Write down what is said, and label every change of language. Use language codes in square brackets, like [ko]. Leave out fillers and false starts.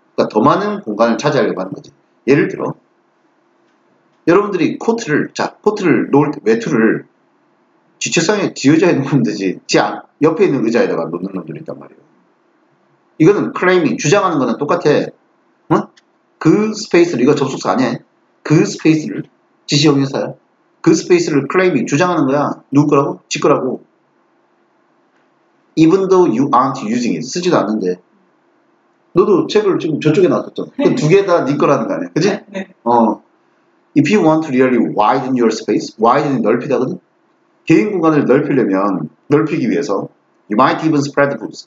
[ko] 그러니까 더 많은 공간을 차지하려고 하는 거지. 예를 들어 여러분들이 코트를 놓을 때 외투를 지체상에 지어져 있는 분들이지 옆에 있는 의자에다가 놓는 놈들이 있단 말이에요. 이거는 클레이밍, 주장하는 거는 똑같아. 어? 그 스페이스를, 이거 접속사 아니야. 그 스페이스를 지시형 회사야. 그 스페이스를 클레이밍, 주장하는 거야. 누구 거라고? 지 거라고. [en] Even though you aren't using it, 쓰지도 않는데. [ko] 너도 책을 지금 저쪽에 놨었잖아. 그 두 개 다 네 거라는 거 아니야. 그지? [en] If you want to really widen your space, widen이 [ko] 넓히다거든? 개인 공간을 넓히려면, 넓히기 위해서, [en] you might even spread the books.